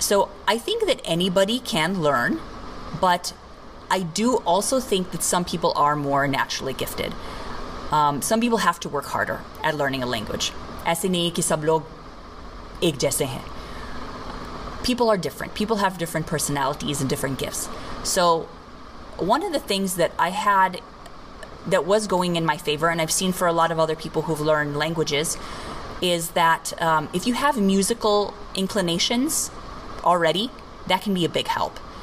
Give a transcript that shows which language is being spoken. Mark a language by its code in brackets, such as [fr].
[en] So I think that anybody can learn, but I do also think that some people are more naturally gifted. Some people have to work harder at learning a language. [hi] ऐसे नहीं कि सब लोग एक जैसे हैं. [en] People are different. People have different personalities and different gifts. So one of the things that I had that was going in my favor, and I've seen for a lot of other people who've learned languages, is that if you have musical inclinations already, that can be a big help.